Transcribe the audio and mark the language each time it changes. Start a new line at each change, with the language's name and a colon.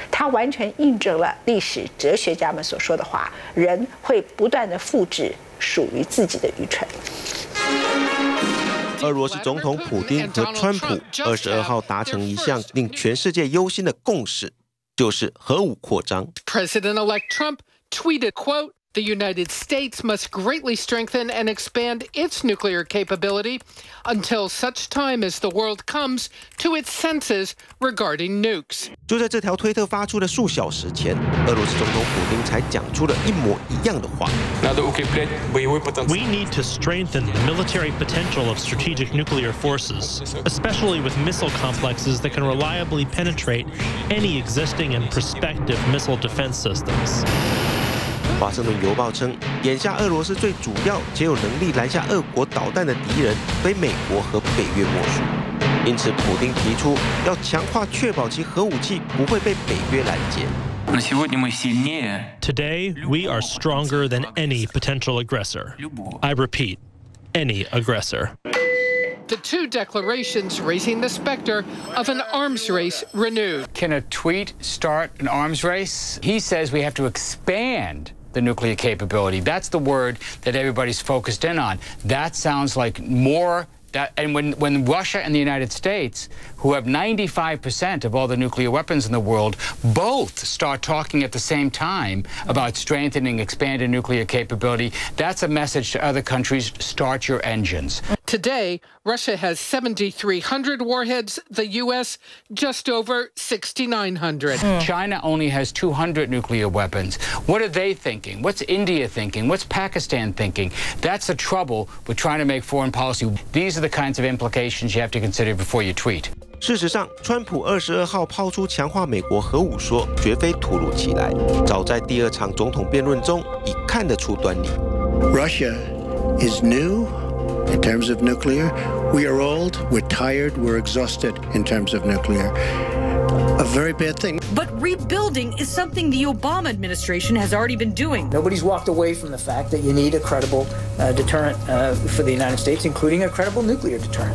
Chinese: 它完全印证了历史哲学家们所说的话，人会不断的复制属于自己的愚蠢。俄罗斯总统普丁和川普22号达成一项令全世界忧心的共识，就是核武扩张。
English: President-elect Trump tweeted quote,The United States must greatly strengthen and expand its nuclear capability until such time as the world comes to its senses regarding nukes.
Chinese: 就在这条推特发出的数小时前，俄罗斯总统普丁才讲出了一模一样的话。
English: We need to strengthen the military potential of strategic nuclear forces, especially with missile complexes that can reliably penetrate any existing and prospective missile defense systems.
Chinese: 华盛顿邮报称，眼下俄罗斯最主要且有能力拦下俄国导弹的敌人非美国和北约莫属，因此普丁提出要强化确保其核武器不会被北约拦截。
English: Today, we are stronger than any potential aggressor. I repeat, any aggressor. The two declarations raising the specter of an arms race renewed. Can a tweet start an arms race? He says we have to expand the nuclear capability. That's the word that everybody's focused in on. That sounds like more... That, and when Russia and the United States, who have 95% of all the nuclear weapons in the world, both start talking at the same time about strengthening, expanded nuclear capability, that's a message to other countries, start your engines. Today, Russia has 7,300 warheads, the U.S. just over 6,900. China only has 200 nuclear weapons. What are they thinking? What's India thinking? What's Pakistan thinking? That's the trouble with trying to make foreign policy. These are the kinds of implications you have to consider before you tweet.
Chinese: 事实上，川普22号抛出强化美国核武说绝非突如其来，早在第二场总统辩论中已看得出端倪。
English: Russia is new. In terms of nuclear, we are old, we're tired, we're exhausted in terms of nuclear. A very bad thing. But rebuilding is something the Obama administration has already been doing. Nobody's walked away from the fact that you need a credible deterrent for the United States, including a credible nuclear deterrent.